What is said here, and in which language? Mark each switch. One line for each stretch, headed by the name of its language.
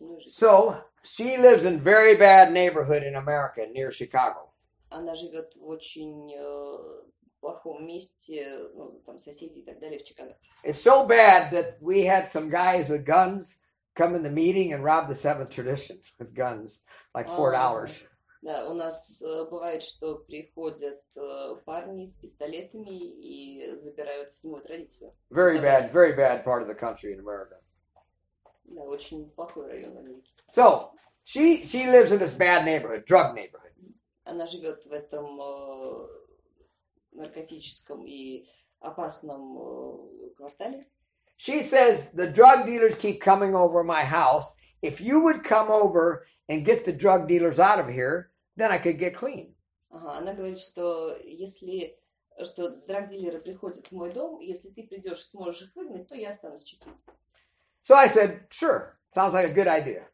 English: So she lives in very bad neighborhood in America near Chicago.
Russian: Она живет в очень плохом месте, ну, там соседи и так далее в Чикаго.
English: It's so bad that we had some guys with guns come in the meeting and rob the Seventh Tradition with guns, like $4.
Russian: Да, у нас бывает, что приходят парни с пистолетами и забирают седьмую традицию.
English: Very bad, very bad part of the country in America.
Russian: Да, очень плохой район Америки.
English: So, she lives in this bad neighborhood, drug neighborhood.
Russian: Она живет в этом наркотическом и опасном квартале.
English: She says, the drug dealers keep coming over my house. If you would come over and get the drug dealers out of here, then I could get clean.
Russian: Она говорит, что
English: drug dealers
Russian: приходят в мой дом, если ты придешь и сможешь их выгнать, то я останусь чистым.
English: So I said, sure, sounds like a good idea.